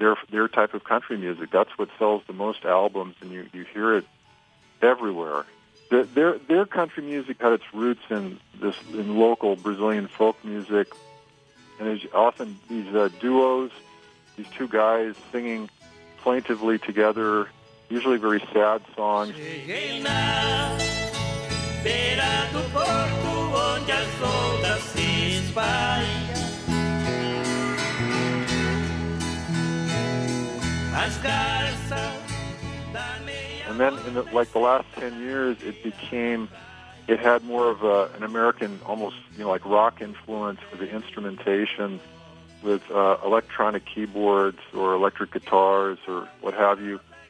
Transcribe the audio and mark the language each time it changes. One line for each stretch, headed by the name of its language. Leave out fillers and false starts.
English: Their type of country music. That's what sells the most albums, and you hear it everywhere. Their country music had its roots in local Brazilian folk music, and there's often these duos, these two guys singing plaintively together, usually very sad songs.
Portuguese: Cheguei na beira do porto onde as ondas se espalham.
English: And then, in the last 10 years, it had more of an American, almost, you know, like rock influence with the instrumentation, with electronic keyboards or electric guitars or what have you.